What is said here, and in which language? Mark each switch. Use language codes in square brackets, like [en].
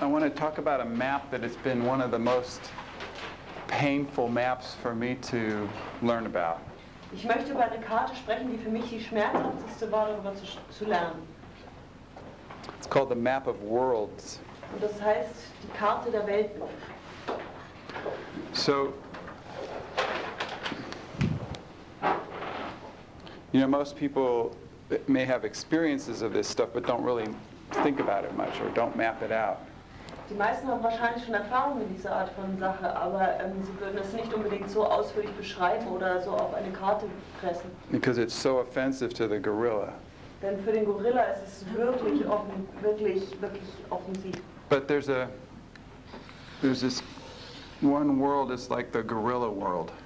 [en] Talk about a map that has been one of the most painful maps for me to learn about. [de] Ich möchte über eine Karte sprechen, die für mich die schmerzhafteste war, darüber zu lernen. [en] It's called the Map of Worlds. [de] Und das heißt die Karte der Welten. [en] So, you know, most people may have experiences of this stuff, but don't really think about it much or don't map it out. [de] Die meisten haben wahrscheinlich schon Erfahrung mit dieser Art von Sache, aber sie würden es nicht unbedingt so ausführlich beschreiben oder so auf eine Karte pressen. [en] Because it's so offensive to the gorilla. [de] Denn für den Gorilla ist es wirklich offen, wirklich offensiv. [en] But there's this one world, it's like the gorilla world.